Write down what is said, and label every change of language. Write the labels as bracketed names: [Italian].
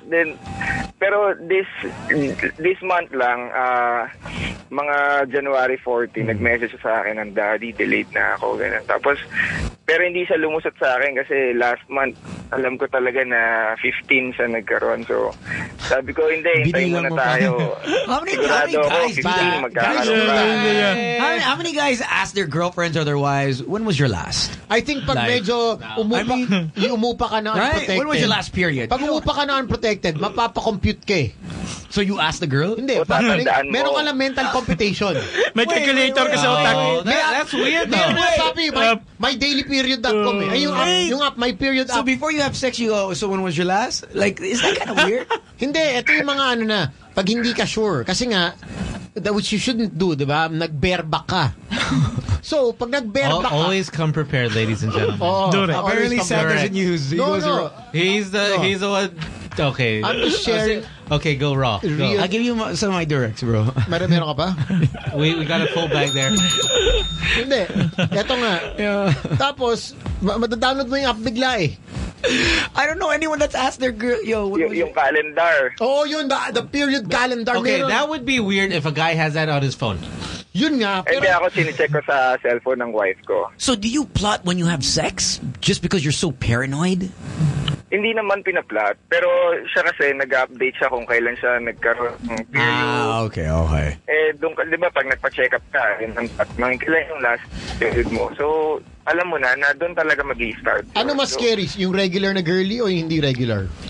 [Filipino] Then, pero this month lang, mga January 14, nag-message sa akin ng Daddy, delayed na ako. Ganun. Tapos, pero hindi siya lumusot sa akin kasi last month, alam ko talaga na 15 siya nagkaroon. So, sabi ko, hindi, hintayin muna tayo. [English] How many guys ask their girlfriends or their wives, when was your last? [Filipino] I think pag medyo umupa ka na unprotected. [English] When was your last period? [Filipino] Pag umupa ka na unprotected, mapapacompute ka eh. [English] So you ask the girl? [Filipino] Hindi. Meron ka lang mental computation. May calculator kasi ako. [English] That's weird though. [Filipino] Meron sabi, [English] my daily period dot com eh. Yung app, my period app. So before you have sex, you go, so when was your last? Like, is that kind of weird? [Filipino] Hindi. Ito yung mga ano na, pag hindi ka sure. Kasi nga, [English] that which you shouldn't do, [Filipino] di ba? Nag-berba ka. So, pag nag-berba ka... [English] Always come prepared, ladies and gentlemen. Apparently, Sam doesn't use... He's the one... Okay. I'm just sharing. Okay, go raw. I'll give you some of my directs, bro. [Filipino] Meron ka pa? [English] We got a full bag there. [Filipino] Hindi. Ito nga. Yeah. Tapos, matadownload mo yung app bigla eh. [English] I don't know anyone that's asked their girl, yo. [Filipino] Yung calendar. [English] Oh, yun. The period calendar. [Filipino] Okay, meron. [English] That would be weird if a guy has that on his phone. [Filipino] Yun nga. Pero, hindi ako sinicheck ko sa cellphone ng wife ko. [English] So, do you plot when you have sex? Just because you're so paranoid? [Filipino] hindi naman pinaplat, pero siya kasi nag-update siya kung kailan siya nagkaroon ng period. [English] Ah, okay, okay. [Filipino] Eh, doon ka, di ba, pag nagpa-check up ka, yun ang tatmang, kailan yung last period mo. So, alam mo na, na doon talaga mag-i-start. Ano mas scary, yung regular na girly o yung hindi regular?